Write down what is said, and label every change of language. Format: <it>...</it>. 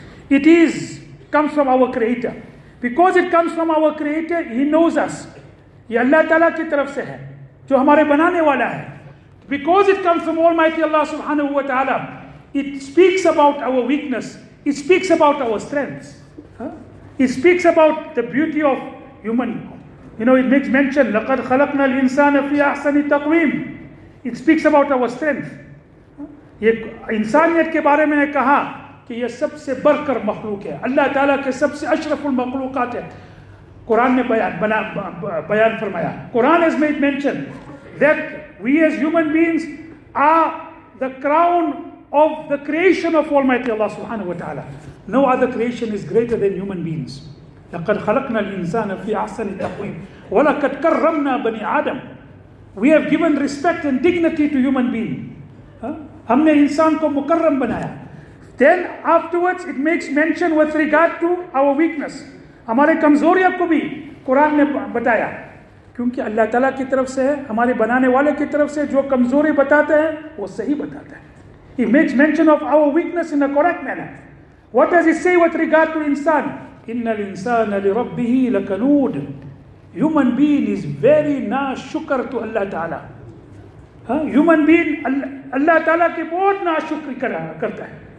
<en>It is comes from our Creator. Because it comes from our Creator, He knows us.</en> <ur>Ye Allah Taala ki taraf se hai jo hamare banane wala hai.</ur> <en>Because it comes from Almighty Allah Subhanahu wa Taala, it speaks about our weakness. It speaks about our strengths. It speaks about the beauty of human. You know, it makes mention,</en> <ar>لَقَدْ خَلَقْنَا الْإِنسَانَ فِي أَحْسَنِ تَقْوِيمِ.</ar> <en>It speaks about our strength.</en> <ur>یہ انسانیت کے بارے میں نے کہا کہ یہ سب سے بڑھ کر مخلوق ہے، اللہ تعالیٰ کے سب سے اشرف المخلوقات ہے. قرآن نے بیان فرمایا،</ur> <en>Quran has made mention that we as human beings are the crown of the creation of Almighty Allah subhanahu wa ta'ala. No other creation is greater than human beings.</en> <ar>لَقَدْ خَلَقْنَا الْإِنسَانَ فِي أَحْسَنِ تَقْوِيمِ وَلَقَدْ كَرَّمْنَا بَنِي آدَمْ.</ar> <en>We have given respect and dignity to human beings.</en> <ur>ہم نے انسان کو مکرم بنایا.</ur> <en>Then afterwards, it makes mention with regard to our weakness.</en> <ur>ہمارے کمزوریوں کو بھی قرآن نے بتایا, کیونکہ اللہ تعالیٰ کی طرف سے ہے, ہمارے بنانے والے کی طرف سے, جو کمزوری بتاتے ہیں وہ صحیح بتاتے ہیں.</ur> <en>He makes mention of our weakness in a correct manner. What does he say with regard to insan?</en> <ar>إِنَّ الْإِنسَانَ لِرَبِّهِ لَكَنُودٌ.</ar> <en>Human being is very na shukar to Allah Ta'ala.</en> <ur>Human being, Allah Ta'ala ki bahut na shukri karta hai.</ur>